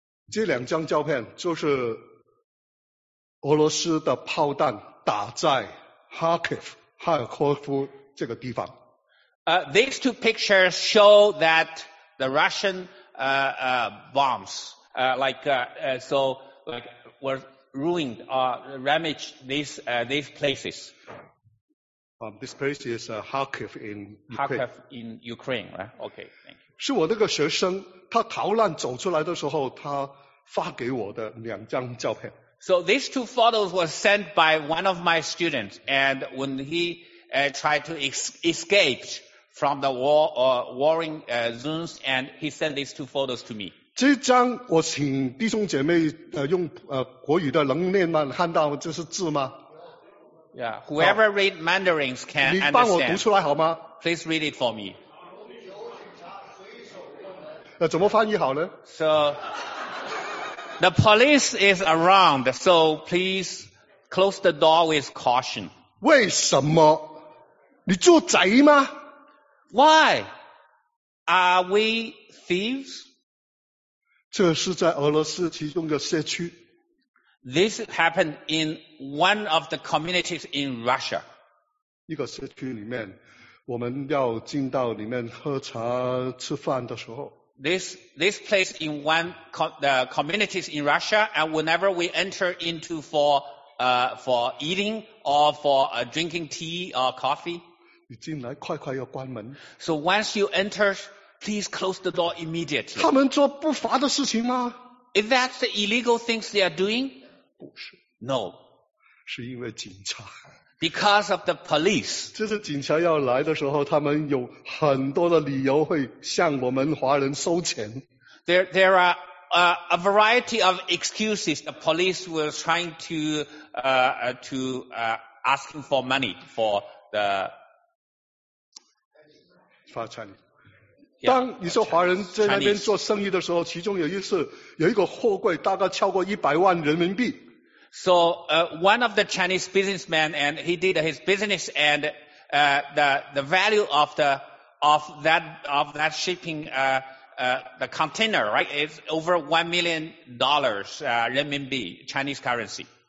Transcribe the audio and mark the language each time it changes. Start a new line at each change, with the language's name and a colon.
Chinese: 这两张照片就是俄罗斯的炮弹打在哈尔科夫这个地方。
English: These two pictures show that the Russian were ruined or damaged these places. This place is Kharkiv in Ukraine. Kharkiv in Ukraine, right? Okay, thank you.
Chinese: 是我那个学生，他逃难走出来的时候，他。发给我的两张照片。
English: So these two photos were sent by one of my students, and when he tried to escape from the warring zones, and he sent these two photos to me.
Chinese: 这一章我请弟兄姐妹用国语的能念吗？看到这是字吗？
English: Yeah, whoever read Mandarin can understand.
Chinese: 你帮我读出来好吗？
English: Please read it for me.
Chinese: 怎么翻译好呢？
English: So, the police is around, so please close the door with caution.
Chinese: 为什么？你做贼吗？
English: Why? Are we thieves?
Chinese: 这是在俄罗斯其中的社区。
English: This happened in one of the communities in Russia.
Chinese: 一个社区里面，我们要进到里面喝茶吃饭的时候。
English: This place in one the communities in Russia, and whenever we enter into for eating or for drinking tea or coffee,
Chinese: 你进来快快要关门。
English: So once you enter, please close the door immediately.
Chinese: 他们做不法的事情吗？
English: Is that the illegal things they are doing?
Chinese: 不是。
English: No.
Chinese: 是因为警察。
English: Because of the police.
Chinese: 就是警察要来的时候，他们有很多的理由会向我们华人收钱。
English: There are a variety of excuses the police were trying to ask him for money for the
Chinese: 发财。当你说华人在那边做生意的时候，其中有一次有一个货柜大概超过100万人民币。
English: So, one of the Chinese businessmen, and he did his business, and the value of the of that shipping the container, right, is over $1 million renminbi, Chinese currency.